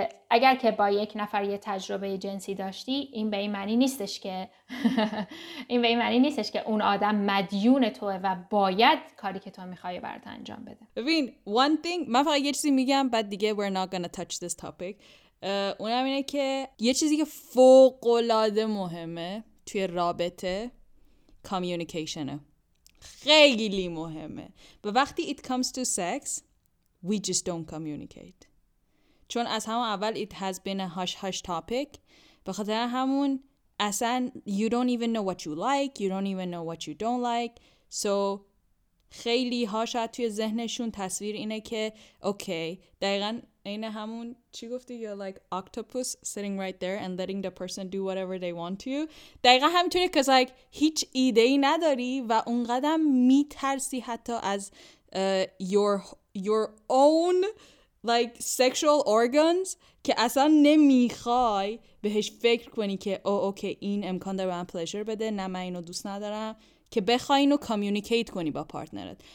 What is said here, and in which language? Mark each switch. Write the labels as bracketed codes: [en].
[fa] اگر که با یک نفر یه تجربه جنسی داشتی، این به این معنی نیستش که این به این معنی نیستش که اون آدم مدیون توه و باید کاری که تو میخوای برات انجام بده. ببین، [en] one thing، [fa] من فقط یه چیزی میگم بعد دیگه [en] we're not gonna touch this topic. [fa] اونم اینه که یه چیزی که فوق‌العاده مهمه توی رابطه communicationه. خیلی مهمه. به وقتی [en] it comes to sex, we just don't communicate. [fa] چون از همون اول [en] it has been a hush-hush topic. [fa] به خاطر همون اصلا [en] you don't even know what you like, you don't even know what you don't like. So [fa] خیلی ها شاید توی ذهنشون تصویر اینه که [en] okay, [fa] دقیقا این همون چی گفتی؟ [en] You're like octopus sitting right there and letting the person do whatever they want to. [fa] دقیقا همینطوره که like هیچ ایده ای نداری و اونقدر میترسی حتی از [en] your own like sexual organs [fa] که اصلا نمیخوای بهش فکر کنی که اوکی این امکان داره به من پلیشر بده، نه من اینو دوست ندارم، که بخوای اینو کامیونیکیت کنی با پارتنرت.